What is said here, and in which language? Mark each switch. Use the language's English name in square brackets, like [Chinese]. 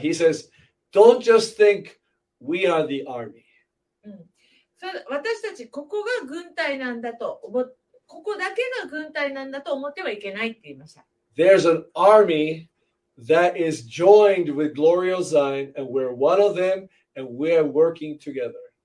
[English] He says, don't just think we are the army. [Japanese] そう、私たちここが軍隊なんだと思って、ここだけが軍隊なんだと思ってはいけないって言いました。 [English] There's an army that is joined with Glorious Zion, and we're one of them, and we're working together.